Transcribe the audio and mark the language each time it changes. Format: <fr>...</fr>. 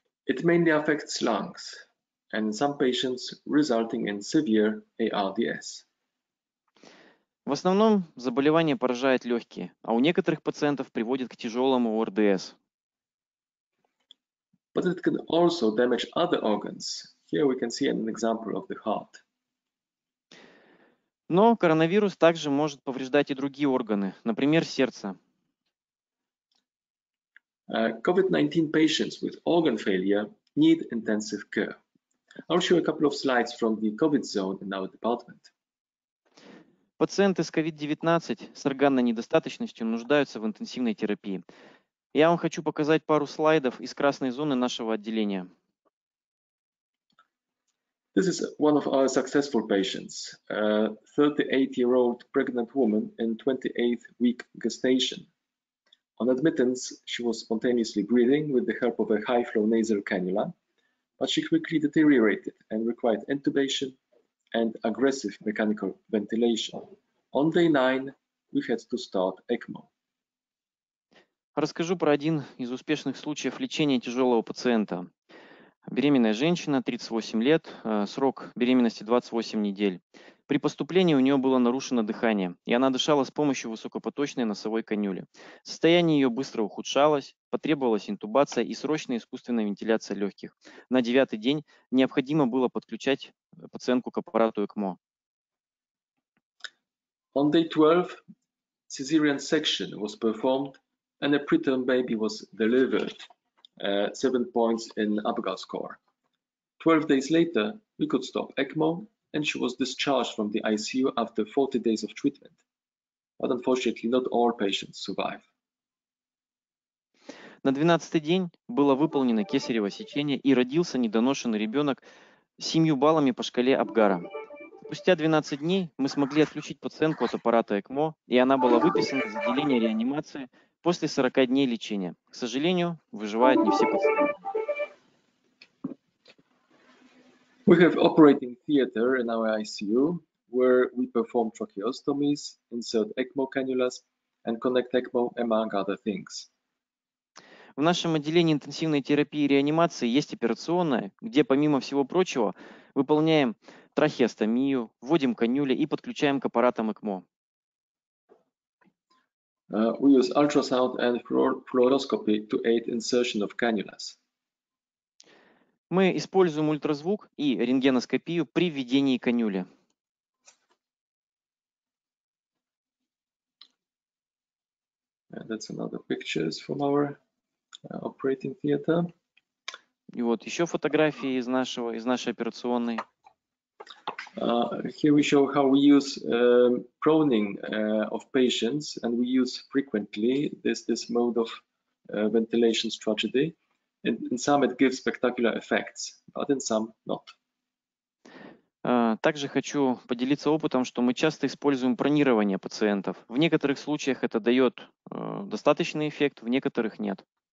<en>It mainly affects lungs and some patients resulting in severe ARDS.</en> <ru>В основном заболевание поражает легкие, а у некоторых пациентов приводит к тяжелому ОРДС.</ru> <en>But it can also damage other organs. Here we can see an example of the heart.</en> <ru>Но коронавирус также может повреждать и другие органы, например, сердце.</ru> <en>COVID-19 patients with organ failure need intensive care. I'll show a couple of slides from the COVID zone in our department.</en> <ru>Пациенты с COVID-19 с органной недостаточностью нуждаются в интенсивной терапии. Я вам хочу показать пару слайдов из красной зоны нашего отделения.</ru> <en>This is one of our successful patients, a 38-year-old pregnant woman in 28th-week gestation. On admittance, she was spontaneously breathing with the help of a high-flow nasal cannula, but she quickly deteriorated and required intubation and aggressive mechanical ventilation. On day 9, we had to start ECMO.</en> <ru>Расскажу про один из успешных случаев лечения тяжелого пациента. Беременная женщина, 38 лет, срок беременности 28 недель. При поступлении у нее было нарушено дыхание, и она дышала с помощью высокопоточной носовой канюли. Состояние ее быстро ухудшалось, потребовалась интубация и срочная искусственная вентиляция легких. На 9-й день необходимо было подключать пациентку к аппарату ЭКМО.</ru> <en>On day 12, cesarean section was performed and a preterm baby was delivered. 7 points in Apgar score. 12 days later, we could stop ECMO and she was discharged from the ICU after 40 days of treatment. But unfortunately, not all patients survive.</en> <ru>На 12-й день было выполнено кесарево сечение и родился недоношенный ребенок с 7 баллами по шкале Апгара. Спустя 12 дней мы смогли отключить пациентку от аппарата ЭКМО, и она была выписана из отделения реанимации после 40 дней лечения. К сожалению, выживают не все пациенты.</ru> <en>We have operating theater in our ICU, where we perform tracheostomies, insert ECMO cannulas, and connect ECMO, among other things.</en> <ru>В нашем отделении интенсивной терапии и реанимации есть операционная, где, помимо всего прочего, выполняем трахеостомию, вводим канюли и подключаем к аппаратам ЭКМО.</ru> <en>We use ultrasound and fluoroscopy to aid insertion of cannulas.</en> <ru>Мы используем ультразвук и рентгеноскопию при введении канюли.</ru> <en>And that's another picture from our operating theater.</en> <ru>И вот еще фотографии из нашего, из нашей операционной.</ru> <en>Here we show how we use proning of patients, and we use frequently this mode of ventilation strategy. In some it gives spectacular effects, but in some not.</en> <ru>Также хочу поделиться опытом, что мы часто используем пронирование пациентов. В некоторых случаях это дает достаточный эффект, в некоторых нет.</ru>